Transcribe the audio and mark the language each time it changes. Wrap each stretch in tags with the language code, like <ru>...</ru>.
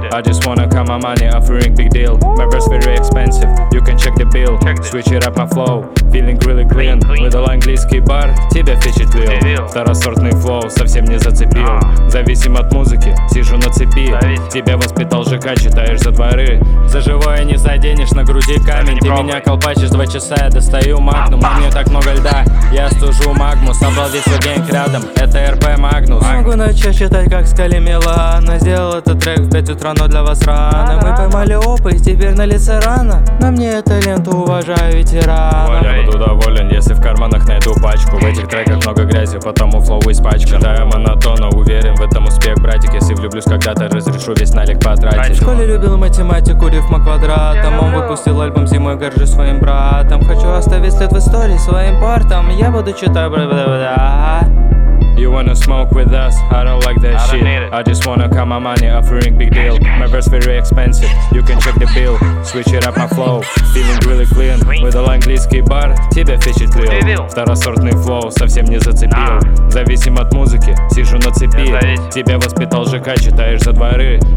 <en>I just wanna count my money, offering big deal. My breath very expensive, you can check the bill. Switch it up my flow, feeling really clean.</en> <ru>Выдал английский бар, тебя впечатлил. Второсортный флоу совсем не зацепил. Зависим от музыки, сижу на цепи. Тебя воспитал ЖК, читаешь за дворы. За живое не заденешь, на груди камень. Ты меня колбачишь, 2 часа я достаю магнум. У меня так много льда, я стужу магму. Собрал весь свой гейнг рядом, это РП Магнус. Могу начать читать, как Скали Милана. Сделал этот трек в 5 утра, но для вас рано. Мы поймали опа, и теперь на лице рано. На мне эта лента, уважаю ветерана. Я буду доволен, если в карманах найду пачку. В этих треках много грязи, потому флоу испачкан. Читаю монотонно, уверен в этом успех, братик. Если влюблюсь когда-то, разрешу весь налик потратить. В школе любил математику, рифма квадратом. Он выпустил альбом зимой, горжусь своим братом. Хочу оставить след в истории своим портом. Я буду читать бра-бра-бра.</ru> <en>You wanna smoke with us? I don't like that shit. I just wanna count my money, offering big deal. My verse very expensive, you can check the bill. Switch it up my flow, feeling really clean.</en> <ru>Выдал английский бар, тебя впечатлил. Второсортный флоу совсем не зацепил. Зависим от музыки, сижу на цепи. Тебя воспитал ЖК, читаешь за дворы.</ru>